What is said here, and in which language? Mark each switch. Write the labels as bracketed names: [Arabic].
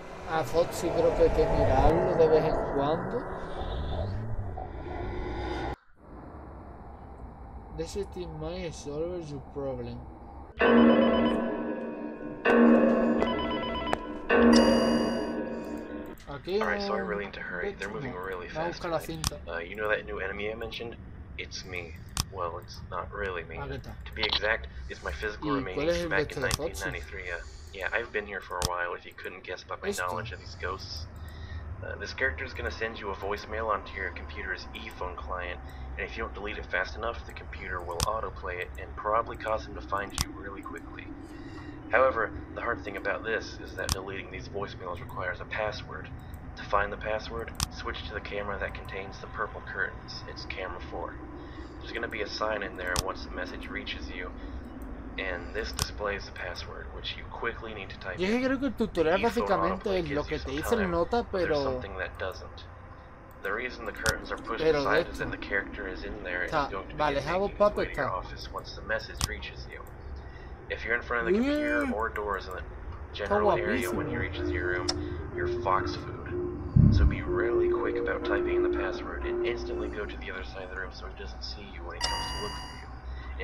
[Spanish] A Foxy creo que hay que mirarlo de vez en cuando. [English] This team might solve your problem. Okay. All right, so I really need to hurry. They're moving really fast. You know that new enemy I mentioned? It's me. Well, it's not really me. To be exact, it's my physical remains back in 1993. Yeah, I've been here for a while, if you couldn't guess by my knowledge of these ghosts. This character is going to send you a voicemail onto your computer's e-phone client, and if you don't delete it fast enough, the computer will autoplay it and probably cause him to find you really quickly. However, the hard thing about this is that deleting these voicemails requires a password. To find the password, switch to the camera that contains the purple curtains. It's camera 4. There's going to be a sign in there once the message reaches you, and this displays the password, which you quickly need to type in. [Spanish] Yo creo que el tutorial básicamente es lo que te dice el nota, pero [English] something that doesn't. The reason the curtains are pushed aside is that the character is in there and is going to be in your office once the message reaches you. If you're in front of the computer or doors in the general area when you reach your room, you're fox food. So be really quick about typing in the password and instantly go to the other side of the room so he doesn't see you when he comes to look for you.